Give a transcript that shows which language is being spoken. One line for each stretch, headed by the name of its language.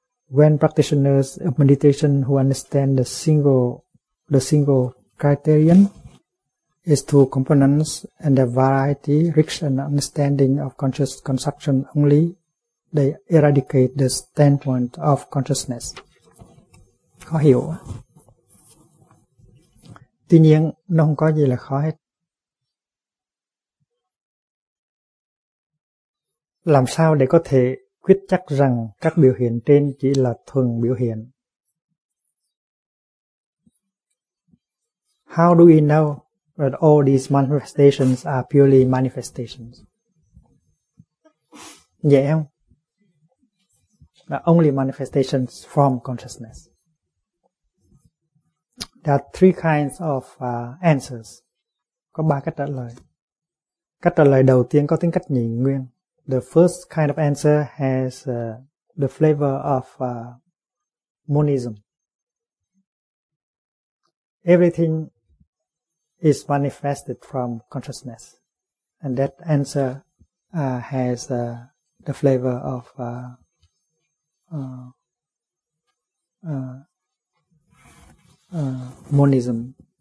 English: When practitioners of meditation who understand the single criterion, its two components, and their variety, reach an understanding of conscious construction only, they eradicate the standpoint of consciousness.
Vietnamese: Khó hiểu. Tuy nhiên, nó không có gì là khó hết. Làm sao để có thể quyết chắc rằng các biểu hiện trên chỉ là thuần biểu hiện?
English: How do we know that all these manifestations are purely manifestations?
Vietnamese: Dễ không?
English: The only manifestations from consciousness. There are three kinds of answers.
Vietnamese: Có ba cách trả lời. Cách trả lời đầu tiên có tính cách nhị nguyên.
English: The first kind of answer has the flavor of monism. Everything is manifested from consciousness. And that answer has the flavor of monism.